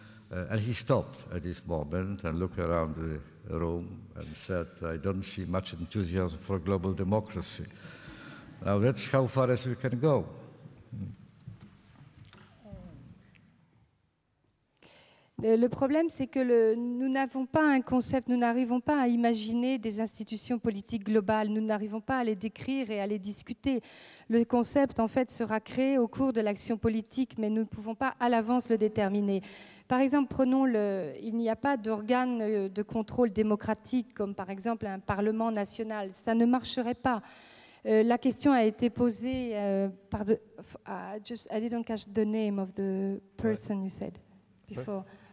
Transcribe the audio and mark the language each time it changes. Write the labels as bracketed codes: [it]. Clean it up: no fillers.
[en] And he stopped at this moment and looked around the room and said, I don't see much enthusiasm for global democracy. Now that's how far as we can go. [fr] Le problème, c'est que nous n'avons pas un concept, nous n'arrivons pas à imaginer des institutions politiques globales, nous n'arrivons pas à les décrire et à les discuter. Le concept, en fait, sera créé au cours de l'action politique, mais nous ne pouvons pas à l'avance le déterminer. Par exemple, il n'y a pas d'organe de contrôle démocratique, comme par exemple un Parlement national, ça ne marcherait pas. La question a été posée par... [en] I didn't catch the name of the person you said before.